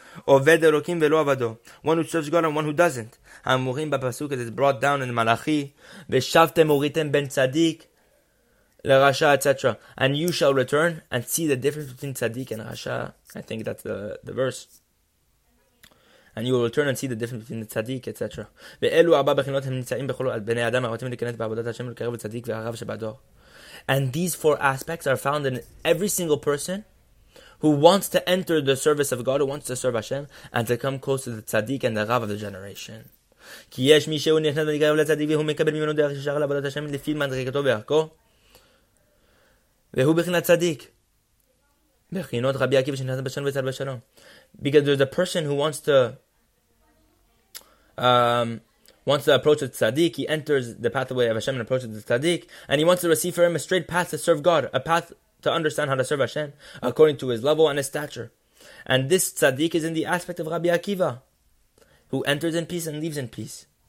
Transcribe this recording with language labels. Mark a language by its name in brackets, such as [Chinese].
[Hebrew] Oved elokim ve'lo avado, [English] one who serves God and one who doesn't. [Hebrew] Hamurim ba'pasuk, [English] as it's brought down in Malachi, [Hebrew] ve'shavtem uritem ben tzadik l'rasha, [English] etc. And you shall return and see the difference between tzadik and rasha. I think that's the verse. And you will return and see the difference between the tzaddik, etc. [Hebrew] ואלו ארבע בחינות הם נמצאים בכל על בני אדם הרוצים להיכנס בעבודת השם ולקרב לצדיק והרב שבדור. [English] And these four aspects are found in every single person who wants to enter the service of God, who wants to serve Hashem, and to come close to the tzaddik and the rav of the generation. [Hebrew] כי יש מי שהוא נכנס ונקרב לצדיק והוא מקבל ממנו דרך ישר לעבודת השם לפי מדרגתו וערכו. והוא בחינת צדיק. בחינות רבי עקיבא שנכנס בשלום וצד בשלום. [English] Because there's a person who wants to approach the tzaddik. He enters the pathway of Hashem and approaches the tzaddik, and he wants to receive for him a straight path to serve God, a path to understand how to serve Hashem according to his level and his stature. And this tzaddik is in the aspect of Rabbi Akiva, who enters in peace and leaves in peace.